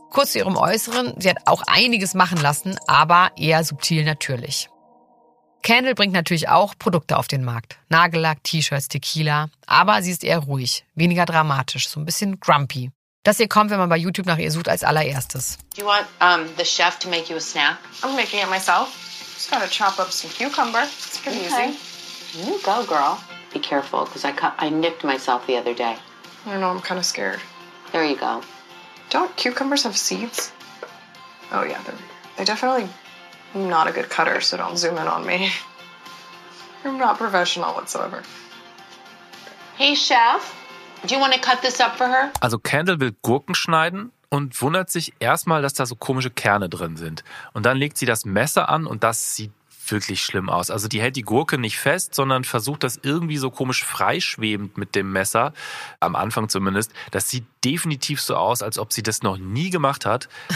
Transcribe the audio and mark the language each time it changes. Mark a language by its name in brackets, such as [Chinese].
[German] Kurz zu ihrem Äußeren, sie hat auch einiges machen lassen, aber eher subtil natürlich. Kendall bringt natürlich auch Produkte auf den Markt. Nagellack, T-Shirts, Tequila. Aber sie ist eher ruhig, weniger dramatisch, so ein bisschen grumpy. Das hier kommt, wenn man bei YouTube nach ihr sucht, als allererstes. [English] Do you want the chef to make you a snack? I'm making it myself. Just gotta chop up some cucumber. It's pretty easy. You go, girl. Be careful, because I nicked myself the other day. I don't know, I'm kind of scared. There you go. Don't cucumbers have seeds? Oh yeah, they're definitely not a good cutter, so don't zoom in on me. I'm not professional whatsoever. Hey Chef, do you want to cut this up for her? [German] Also Kendall will Gurken schneiden und wundert sich erstmal, dass da so komische Kerne drin sind. Und dann legt sie das Messer an und das sieht wirklich schlimm aus. Also die hält die Gurke nicht fest, sondern versucht das irgendwie so komisch freischwebend mit dem Messer, am Anfang zumindest. Das sieht definitiv so aus, als ob sie das noch nie gemacht hat.